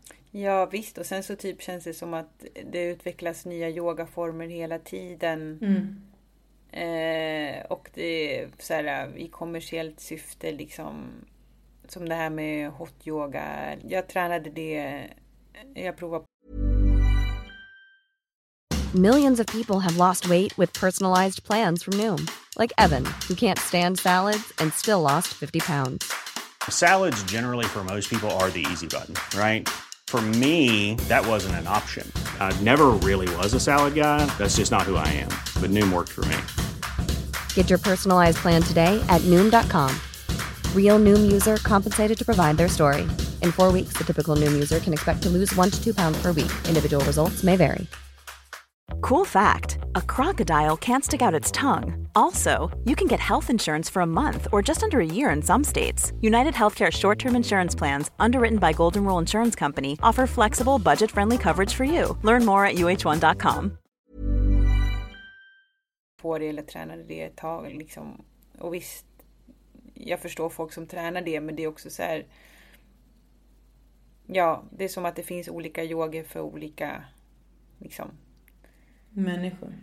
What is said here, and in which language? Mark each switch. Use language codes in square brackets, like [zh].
[sv] Ja visst, och sen så typ känns det som att det utvecklas nya yogaformer hela tiden. Mm. Och det är så här, i kommersiellt syfte liksom, som det här med hot yoga. Jag tränade det, jag provade. [en] Millions of people have lost weight with personalized plans from Noom, like Evan, who can't stand salads and still lost 50 pounds. Salads generally for most people are the easy button, right? For me, that wasn't an option. I never really was a salad guy. That's just not who I am. But Noom worked for me. Get your personalized plan today at Noom.com. Real Noom user compensated to provide their story. In 4 weeks, the typical Noom user can expect to lose 1 to 2 pounds per week. Individual results may vary. Cool fact, a crocodile can't stick out its tongue. Also, you can get health insurance for a month or just under a year in some states. UnitedHealthcare short-term insurance plans, underwritten by Golden Rule Insurance Company, offer flexible, budget-friendly coverage for you. Learn more at uh1.com. [sv] På det eller tränade det ett tag. Liksom. Och visst, jag förstår folk som tränar det, men det är också så här, ja, det är som att det finns olika yoga för olika liksom människor.